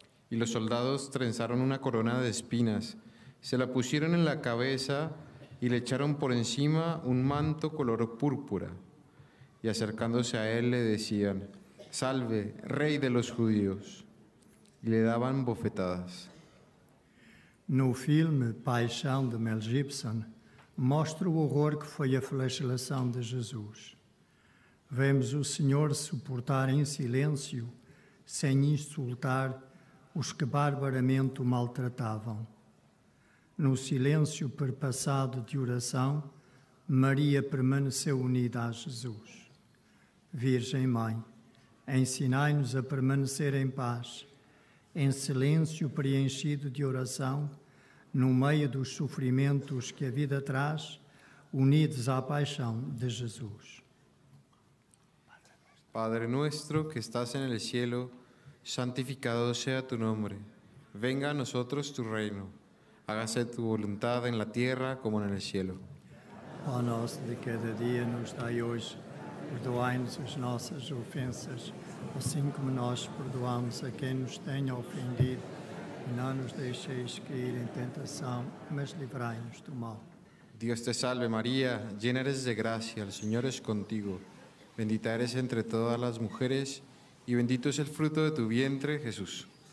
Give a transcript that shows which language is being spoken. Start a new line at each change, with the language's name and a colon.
Spanish: Y los soldados trenzaron una corona de espinas, se la pusieron en la cabeza y le echaron por encima un manto color púrpura. Y acercándose a él le decían: Salve, rey de los judíos. Y le daban bofetadas.
Portuguese: No filme Paixão de Mel Gibson mostra o horror que foi a flagelação de Jesus. Vemos o Senhor suportar em silêncio, sem insultar, os que barbaramente o maltratavam. No silêncio perpassado de oração, Maria permaneceu unida a Jesus. Virgem Mãe, ensinai-nos a permanecer em paz, em silêncio preenchido de oração, no meio dos sofrimentos que a vida traz, unidos à paixão de Jesus.
Spanish: Padre nuestro que estás en el cielo, santificado sea tu nombre. Venga a nosotros tu reino. Hágase tu voluntad en la tierra como en el cielo.
Portuguese: Pão nosso de cada dia nos dai hoje. Perdoai-nos as nossas ofensas, assim como nós perdoamos a quem nos tenha ofendido. E não nos deixeis cair em tentação, mas livrai-nos do mal.
Spanish: Dios te salve, María, llena eres de gracia, el Señor es contigo. Bendita eres entre todas las mujeres y bendito es el fruto de tu vientre, Jesús.